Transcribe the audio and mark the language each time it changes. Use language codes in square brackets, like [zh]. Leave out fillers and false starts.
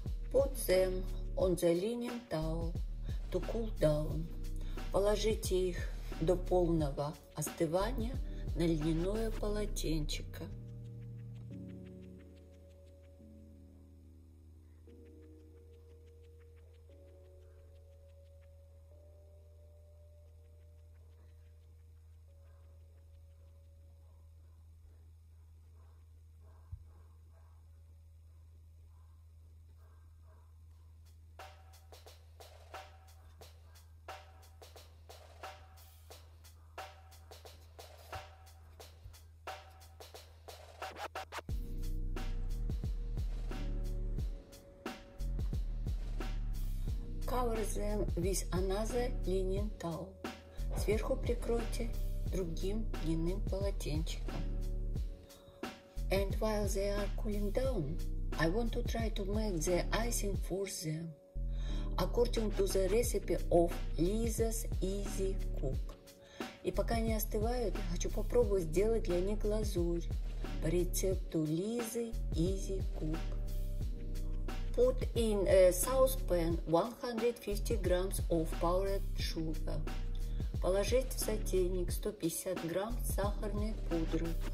[en] Put them on the linen towel to cool down. [ru] Положите их до полного остывания на льняное полотенчико. [en] Cover them with another linen towel. [ru] Сверху прикройте другим льняным полотенчиком. [en] And while they are cooling down, I want to try to make the icing for them. According to the recipe of Lisa's Easy Cook. [ru] И пока они остывают, хочу попробовать сделать для них глазурь по рецепту Lisa Easy Cook. [en] Put in a saucepan 150 grams of powdered sugar. [ru] Положить в сотейник 150 грамм сахарной пудры.